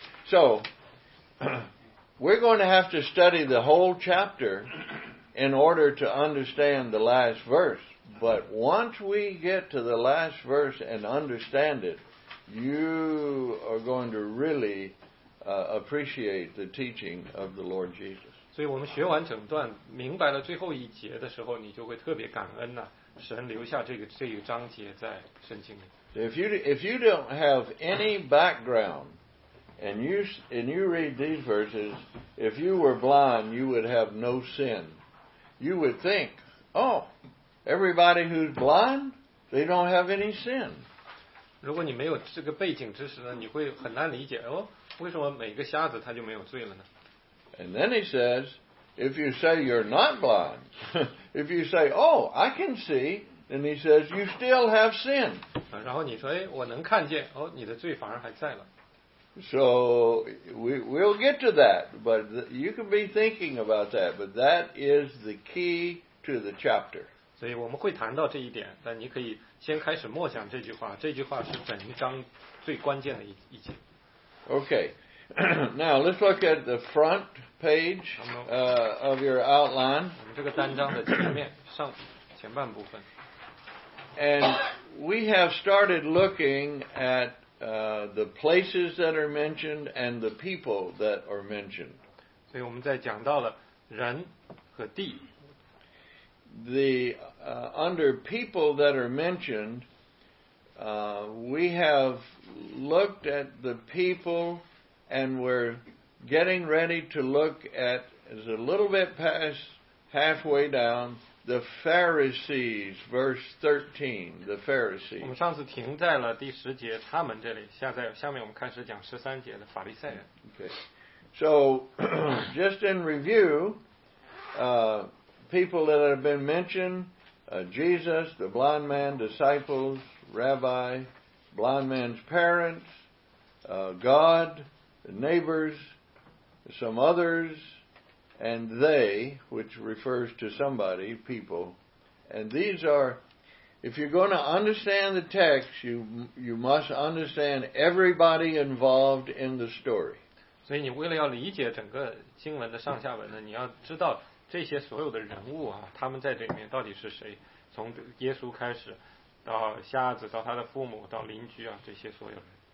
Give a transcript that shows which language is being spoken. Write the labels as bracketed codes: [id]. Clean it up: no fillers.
[en] So, we're going to have to study the whole chapter in order to understand the last verse. But once we get to the last verse and understand it, you are going to really appreciate the teaching of the Lord Jesus. [zh] 所以我们学完整段，明白了最后一节的时候，你就会特别感恩呐，神留下这个章节在圣经里。 [en] If you don't have any background, and you read these verses, if you were blind, you would have no sin. You would think, oh. Everybody who's blind, they don't have any sin. [zh] 如果你没有这个背景知识呢，你会很难理解哦，为什么每个瞎子他就没有罪了呢？ [en] And then he says, if you say you're not blind, if you say, oh, I can see, then he says, you still have sin. [zh] 然后你说，哎，我能看见，哦，你的罪反而还在了。 [en] So we'll get to that, but you can be thinking about that, but that is the key to the chapter. [zh] 所以我们会谈到这一点，但你可以先开始默想这句话。这句话是整章最关键的一节。 [en] Okay, now let's look at the front page of your outline. [zh] 我们这个单章的前面上前半部分。 [en] And we have started looking at the places that are mentioned and the people that are mentioned. [zh] 所以我们在讲到了人和地。 [en] The under people that are mentioned, we have looked at the people, and we're getting ready to look at is a little bit past halfway down the Pharisees, verse 13. The Pharisees. [zh] 我们上次停在了第十节，他们这里。下面我们开始讲十三节的法利赛人。 [en] Okay. So, just in review. People that have been mentioned, Jesus, the blind man, disciples, rabbi, blind man's parents, God, neighbors, some others, and they, which refers to somebody, people. And these are, if you're going to understand the text, you must understand everybody involved in the story. [zh] 所以你为了要理解整个经文的上下文呢，你要知道这些所有的人物啊，他们在这里面到底是谁？从耶稣开始，到瞎子，到他的父母，到邻居啊，这些所有人。